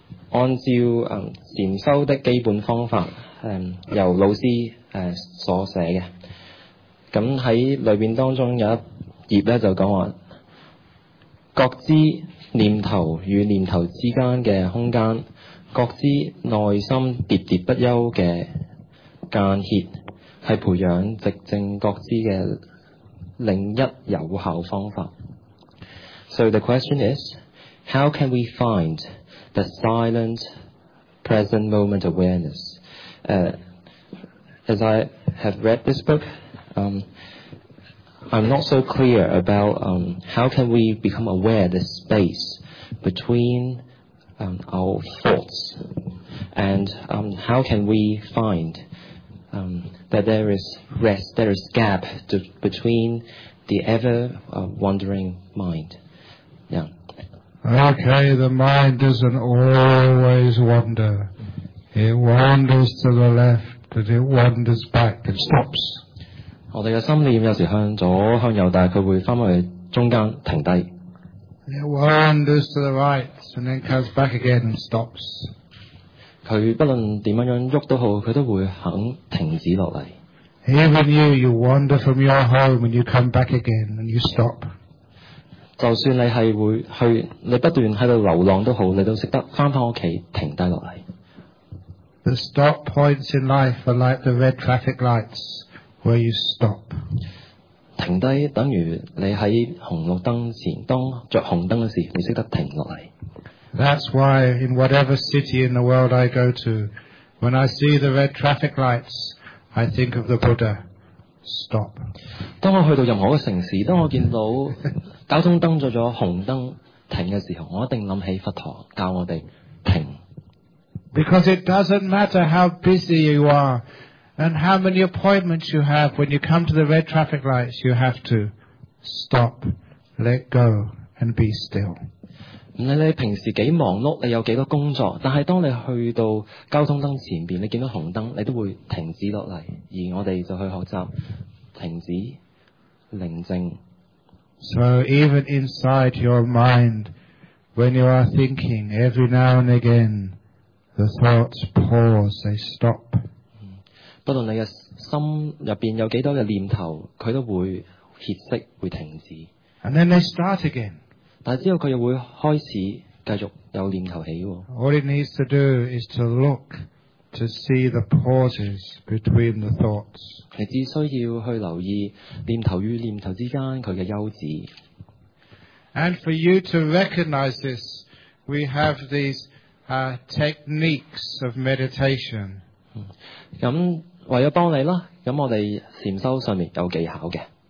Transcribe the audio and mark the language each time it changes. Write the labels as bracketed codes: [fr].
[yue] 按照禅修的基本方法，由老师所写嘅，咁喺里面当中有一页咧就讲话，觉知念头与念头之间嘅空间，觉知内心喋喋不休嘅间歇，系培养寂静觉知嘅另一有效方法。 [en] So the question is, how can we find? The silent present moment awareness. As I have read this book, I'm not so clear about how can we become aware of the space between our thoughts and how can we find that there is rest, there is gap between the ever wandering mind. Yeah. Okay, the mind doesn't always wander. It wanders to the left, and it wanders back and stops. [yue] 我哋嘅心念有时向左向右，但系佢会翻翻去中间停低。 [en] It wanders to the right, and then comes back again and stops. [yue] 佢不论点样喐都好，佢都会肯停止落嚟。 [en] Even you wander from your home, and you come back again, and you stop. [yue] 就算你係會去，你不斷喺度流浪都好，你都識得翻返屋企停低落嚟。 [en] The stop points in life are like the red traffic lights where you stop. [yue] 停低等於你喺紅綠燈前，當著紅燈嗰時，你識得停落嚟。 [en] That's why in whatever city in the world I go to, when I see the red traffic lights, I think of the Buddha. Stop. [yue] 當我去到任何城市，當我見到交通燈咗紅燈停嘅時候，我一定諗起佛陀教我哋停。 [en] Because it doesn't matter how busy you are and how many appointments you have, when you come to the red traffic lights, you have to stop, let go, and be still. [yue] 唔理你平時幾忙碌，你有幾多工作，但係當你去到交通燈前面，你見到紅燈，你都會停止落嚟，而我哋就去學習停止、寧靜。 [en] So even inside your mind, when you are thinking, every now and again, the thoughts pause, they stop. [yue] 不论你嘅心入边有几多嘅念头，佢都会歇息，会停止。 [en] And then they start again. [yue] 但之后佢又会开始继续有念头起。 [en] All it needs to do is to look to see the pauses between the thoughts. [yue] 你只需要去留意念头与念头之间佢嘅休止。 [en] And for you to recognize this, we have these techniques of meditation. [yue] 咁为咗帮你啦，咁我哋禅修上面有技巧嘅。